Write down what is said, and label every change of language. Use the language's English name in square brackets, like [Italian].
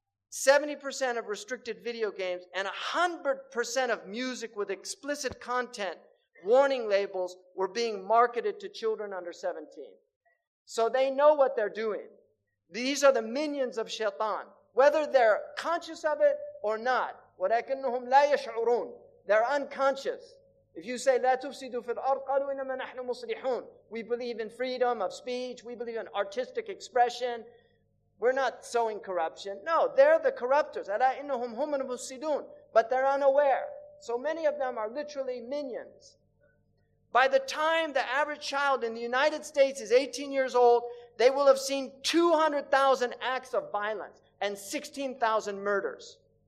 [English] 70% of restricted video games, and 100% of music with explicit content warning labels were being marketed to children under 17. So they know what they're doing. These are the minions of shaitan. Whether they're conscious of it or not, [Arabic] وَلَكِنُّهُمْ لَا يَشْعُرُونَ. [English] They're unconscious. If you say, [Arabic] لَا تُفْسِدُوا فِي الْأَرْضِ قَالُوا إِنَّمَا نَحْنُ مُصْلِحُونَ. [English] We believe in freedom of speech. We believe in artistic expression. We're not sowing corruption. No, they're the corruptors. [Arabic] أَلَا إِنَّهُمْ هُمَ الْمُفْسِدُونَ. [English] But they're unaware. So many of them are literally minions. By the time the average child in the United States is 18 years old, they will have seen 200,000 acts of violence and 16,000 murders.